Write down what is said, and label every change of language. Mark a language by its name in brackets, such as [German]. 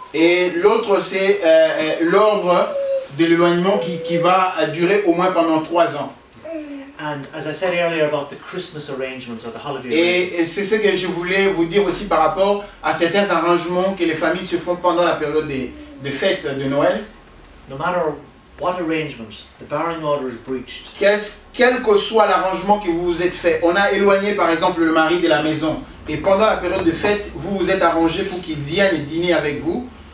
[French] Et l'autre, c'est l'ordre de l'éloignement qui va durer au moins pendant 3 ans. [English] And as I said earlier about the Christmas arrangements or the holiday arrangements. [French] Et c'est ce que je voulais vous dire aussi par rapport à certains arrangements que les familles se font pendant la période des fêtes de Noël. [English] No matter what arrangement, the barring order is breached. [French] Quel que soit l'arrangement que vous vous êtes fait, on a éloigné par exemple le mari de la maison, et pendant la période de fête, vous vous êtes arrangé pour qu'il vienne dîner avec vous.